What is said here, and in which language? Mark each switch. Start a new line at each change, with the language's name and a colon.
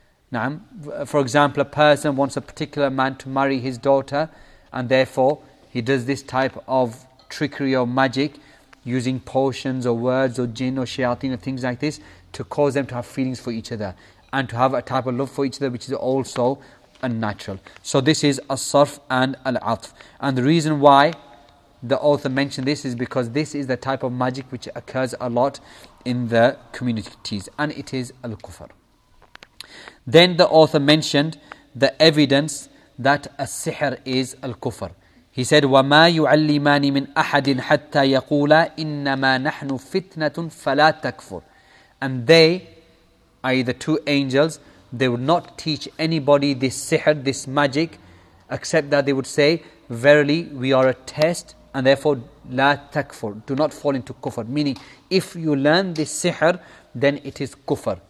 English: Now, for example, a person wants a particular man to marry his daughter, and therefore he does this type of trickery or magic, using potions or words or jinn or shayateen or things like this to cause them to have feelings for each other and to have a type of love for each other, which is also unnatural. So this is as-sarf and al-atf. And the reason why the author mentioned this is because this is the type of magic which occurs a lot in the communities, and it is al-kufr. Then the author mentioned the evidence that a sihr is al-kufr. He said,
Arabic: وَمَا يُعَلِّمَانِ مِنْ أَحَدٍ حَتَّى يَقُولَ إِنَّمَا نَحْنُ فِتْنَةٌ فَلَا تَكْفُرْ.
English: And they, i.e. the two angels, they would not teach anybody this sihr, this magic, except that they would say, verily, we are a test, and therefore,
Arabic: لا تكفر,
English: do not fall into kufr. Meaning, if you learn this sihr, then it is kufr.